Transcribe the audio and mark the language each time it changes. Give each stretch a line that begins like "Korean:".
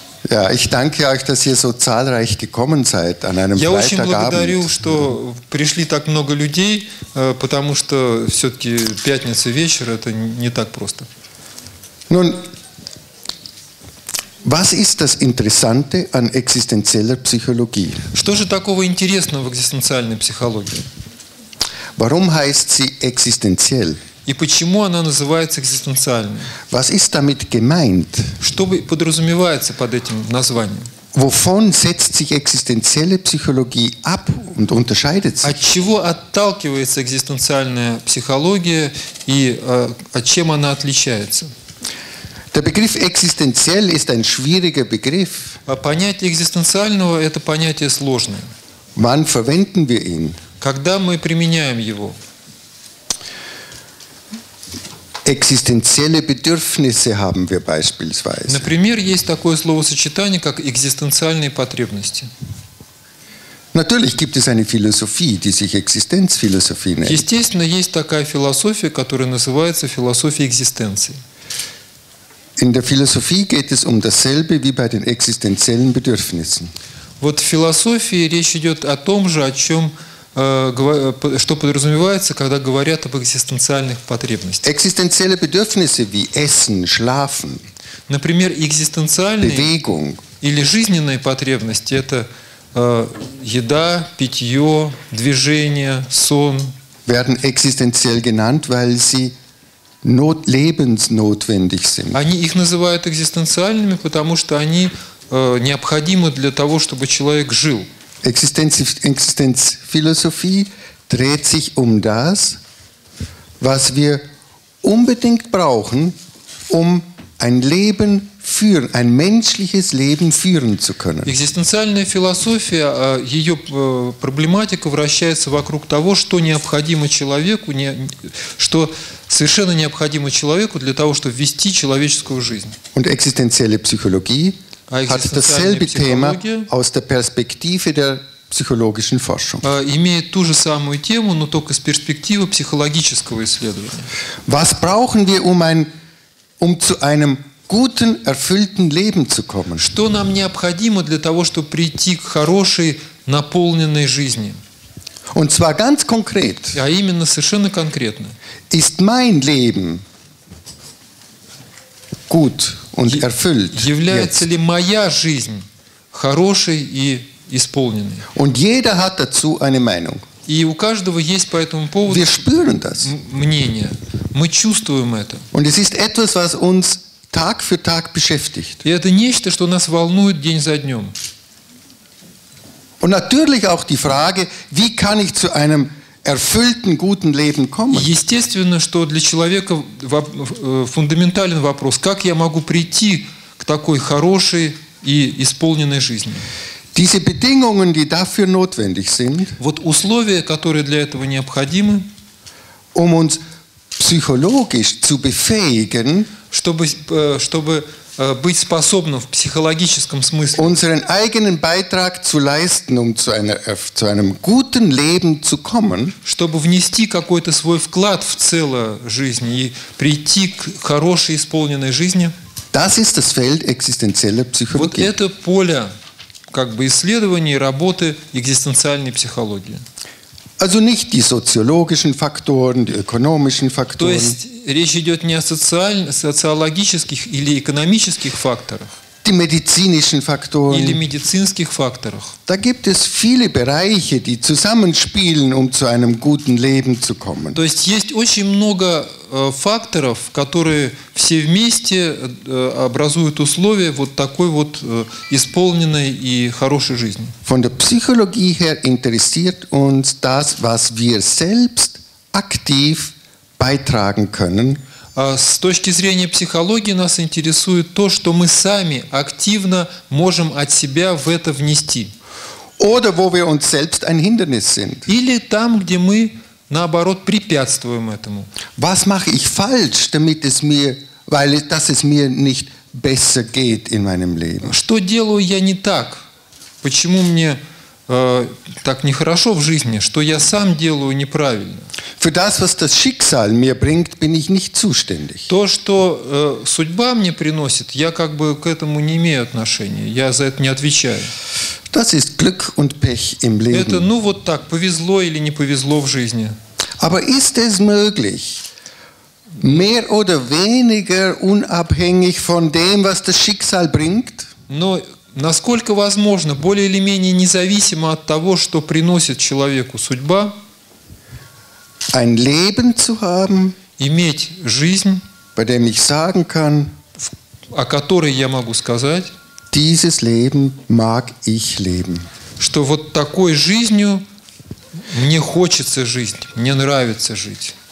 German: Ja, ich danke euch, dass ihr so zahlreich gekommen seid an einem Freitagabend.
Russian: Я очень благодарю, что пришли так много людей, потому что все-таки пятница вечер, это не так просто.
German: Nun, was ist das Interessante an existenzieller Psychologie?
Russian: Что же такого интересного в экзистенциальной психологии?
German: Warum heißt sie existenziell?
Russian: И почему она называется экзистенциальной?
German: Was ist damit gemeint?
Russian: Что подразумевается под этим названием?
German: Wovon setzt sich existenzielle Psychologie ab und unterscheidet sich?
Russian: От чего отталкивается экзистенциальная психология и от чем она отличается?
German: Der Begriff existenziell ist ein schwieriger Begriff.
Russian: Понятие экзистенциального – это понятие сложное.
German: Wann verwenden wir ihn?
Russian: Когда мы применяем его?
German: Existenzielle Bedürfnisse haben wir beispielsweise.
Russian: Например, есть такое словосочетание, как экзистенциальные потребности.
German: Natürlich gibt es eine Philosophie, die sich Existenzphilosophie nennt.
Russian: Естественно, есть такая философия, которая называется философия экзистенции.
German: In der Philosophie geht es dasselbe wie bei den existenziellen Bedürfnissen.
Russian: Вот в философии речь идет о том же, о чем что подразумевается, когда говорят об экзистенциальных потребностях.
German: Existenzielle Bedürfnisse wie Essen, Schlafen.
Russian: Например, экзистенциальные
German: Bewegung.
Russian: Или жизненные потребности – это еда, питье, движение, сон.
German: Werden existenziell genannt, weil sie lebensnotwendig sind.
Russian: Они их называют экзистенциальными, потому что они необходимы для того, чтобы человек жил.
German: Экзистенцфилософия dreht sich das, was wir unbedingt brauchen, ein Leben führen, ein menschliches Leben führen zu können.
Russian: Экзистенциальная философия, ее проблематика вращается вокруг того, что необходимо человеку, что совершенно необходимо человеку для того, чтобы вести человеческую жизнь.
German: Und existenzielle Psychologie hat dasselbe Thema aus der Perspektive der psychologischen Forschung.
Russian: Имеет ту же самую тему, но только с перспективы психологического исследования.
German: Was brauchen wir, zu einem guten, erfüllten Leben zu kommen?
Russian: Что нам необходимо для того, чтобы прийти к хорошей, наполненной жизни.
German: Und zwar ganz konkret.
Russian: А именно совершенно конкретно.
German: Ist mein Leben gut und erfüllt?
Russian: Является ли моя жизнь хорошей и исполненной?
German: Und jeder hat dazu eine Meinung.
Russian: И у каждого есть по этому поводу мнение. Мы чувствуем это.
German: Und es ist etwas, was uns Tag für Tag beschäftigt.
Russian: И это нечто, что нас волнует день за днем.
German: Und natürlich auch die Frage, wie kann ich zu einem erfüllten, guten Leben kommen?
Russian: Естественно, что для человека фундаментальный вопрос, как я могу прийти к такой хорошей и исполненной жизни?
German: Diese Bedingungen, die dafür notwendig sind,
Russian: вот условия, которые для этого необходимы,
German: um uns psychologisch zu befähigen,
Russian: чтобы быть способным в психологическом смысле
German: unseren eigenen Beitrag zu leisten, um zu einem guten Leben zu kommen,
Russian: чтобы внести какой-то свой вклад в целую жизнь и прийти к хорошей, исполненной жизни.
German: Das ist das Feld existenzieller Psychologie.
Russian: Вот это поле как бы исследований и работы экзистенциальной психологии.
German: Also nicht die soziologischen Faktoren, die ökonomischen Faktoren.
Russian: То есть речь идет не о социологических или экономических факторах,
German: die medizinischen Faktoren.
Russian: Или медицинских факторах.
German: Da gibt es viele Bereiche, die zusammenspielen, um zu einem guten Leben zu kommen.
Russian: То есть есть очень много факторов, которые все вместе образуют условия вот такой вот исполненной и хорошей жизни.
German: Von der Psychologie her interessiert uns das, was wir selbst aktiv beitragen können.
Russian: С точки зрения психологии нас интересует то, что мы сами активно можем от себя в это внести.
German: Oder wo wir uns selbst ein Hindernis sind.
Russian: Или там, где мы наоборот препятствуем этому.
German: Was mache ich falsch, damit es mir, weil dass es mir nicht besser geht in meinem Leben?
Russian: Что делаю я не так? Почему мне так нехорошо в жизни, что я сам делаю неправильно?
German: Für das, was das Schicksal mir bringt, bin ich nicht zuständig.
Russian: То, что судьба мне приносит, я как бы к этому не имею отношения, я за это не отвечаю.
German: Das ist Glück und Pech im Leben.
Russian: Это, ну вот так, повезло или не повезло в жизни.
German: Aber ist es möglich, mehr oder weniger unabhängig von dem, was das Schicksal bringt?
Russian: Но насколько возможно, более или менее независимо от того, что приносит человеку судьба,
German: ein Leben zu haben,
Russian: иметь жизнь,
German: bei dem ich sagen kann,
Russian: о которой я могу сказать,
German: dieses Leben mag ich leben.
Russian: Что вот такой жизнью мне хочется жить, мне нравится жить.